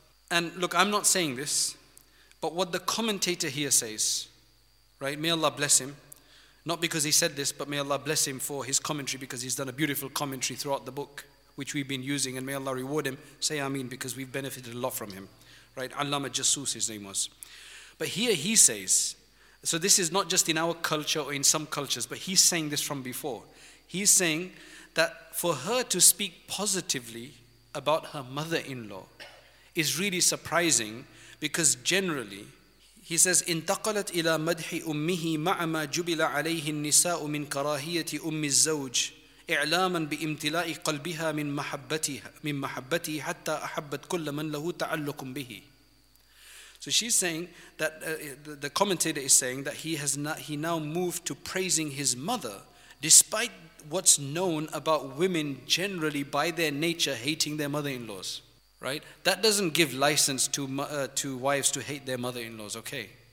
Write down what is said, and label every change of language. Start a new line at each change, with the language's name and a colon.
English: And look, I'm not saying this, but what the commentator here says, right, may Allah bless him, not because he said this, but may Allah bless him for his commentary, because he's done a beautiful commentary throughout the book, which we've been using, and may Allah reward him. Say Ameen, because we've benefited a lot from him. Right, Allama Jassus his name was. But here he says, so this is not just in our culture or in some cultures, but he's saying this from before. He's saying that for her to speak positively about her mother-in-law is really surprising, because generally, he says,
Arabic: انتقلت إلى مدح أمه مع ما جبل عليه النساء من كراهية أم الزوج إعلاما بامتلاء قلبها من محبته حتى أحبت كل من له تعلق به.
English: So she's saying that the commentator is saying that he now moved to praising his mother, despite what's known about women generally by their nature hating their mother-in-laws. Right? That doesn't give license to wives to hate their mother-in-laws, okay?